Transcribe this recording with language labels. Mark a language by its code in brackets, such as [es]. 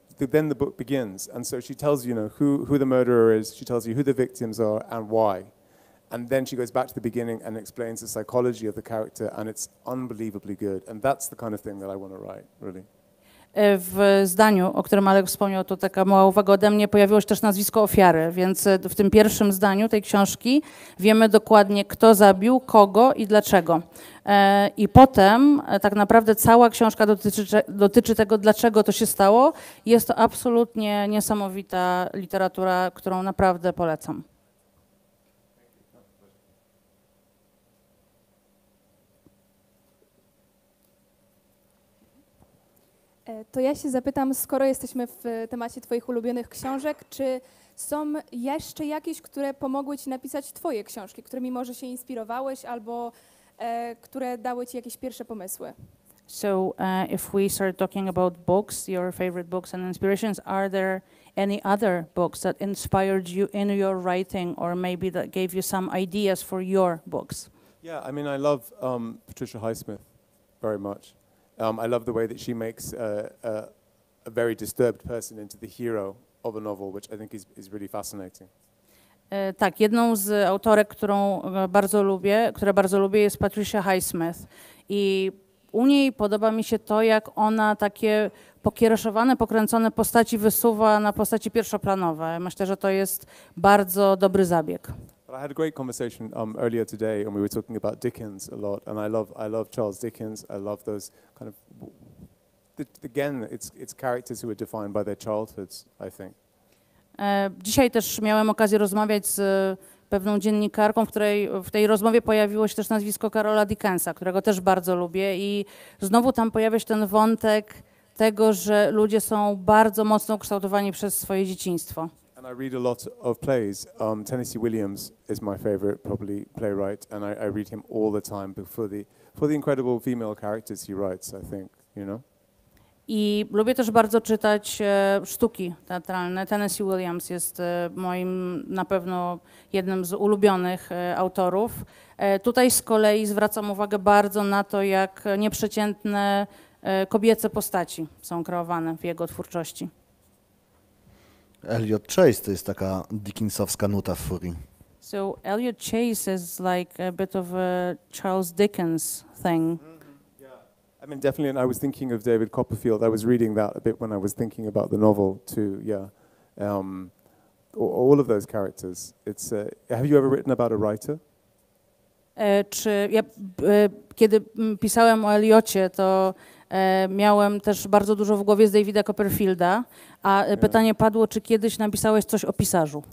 [en] Then the book begins, and so she tells you know who the murderer is. She tells you who the victims are and why, and then she goes back to the beginning and explains the psychology of the character, and it's unbelievably good. And that's the kind of thing that I want to write, really. [pl] W zdaniu, o którym Alek wspomniał, to taka mała uwaga ode mnie, pojawiło się też nazwisko ofiary, więc w tym pierwszym zdaniu tej książki wiemy dokładnie, kto zabił, kogo i dlaczego. I potem tak naprawdę cała książka dotyczy tego, dlaczego to się stało. Jest to absolutnie niesamowita literatura, którą naprawdę polecam. To ja się zapytam, skoro jesteśmy w temacie twoich ulubionych książek, czy są jeszcze jakieś, które pomogły ci napisać twoje książki, którymi może się inspirowałeś albo które dały ci jakieś pierwsze pomysły? [en] So if we start talking about books, your favorite books and inspirations, are there any other books that inspired you in your writing or maybe that gave you some ideas for your books? Yeah, I mean I love Patricia Highsmith very much. I love the way that she makes a very disturbed person into the hero of a novel, which I think is really fascinating. [pl] Tak, jedną z autorek, którą bardzo lubię, jest Patricia Highsmith. I u niej podoba mi się to, jak ona takie pokiereszowane, pokręcone postaci wysuwa na postaci pierwszoplanowe. Myślę, że to jest bardzo dobry zabieg. [en] I had a great conversation earlier today, and we were talking about Dickens a lot. And I love Charles Dickens. I love those kind of again, it's characters who are defined by their childhoods, I think. [pl] Dzisiaj też miałem okazję rozmawiać z pewną dziennikarką, w tej rozmowie pojawiło się też nazwisko Karola Dickensa, którego też bardzo lubię. I znowu tam pojawia się ten wątek tego, że ludzie są bardzo mocno ukształtowani przez swoje dzieciństwo. [en] I read a lot of plays. Tennessee Williams is my favorite, probably playwright, and I read him all the time for the incredible female characters he writes. I think, you know. [pl] I lubię też bardzo czytać sztuki teatralne. Tennessee Williams jest moim na pewno jednym z ulubionych autorów. Tutaj z kolei zwracam uwagę bardzo na to, jak nieprzeciętne kobiece postaci są kreowane w jego twórczości. Elliot Chase to jest taka dickensowska nuta w furii. [en] So Elliot Chase is like a bit of a Charles Dickens thing. Mm-hmm. Yeah. I mean, definitely, and I was thinking of David Copperfield. I was reading that a bit when I was thinking about the novel, too, yeah. All of those characters. It's. Have you ever written about a writer? [pl] Czy ja, kiedy pisałem o Eliocie, to miałem też bardzo dużo w głowie z Davida Copperfielda, a pytanie padło, czy kiedyś napisałeś coś o pisarzu?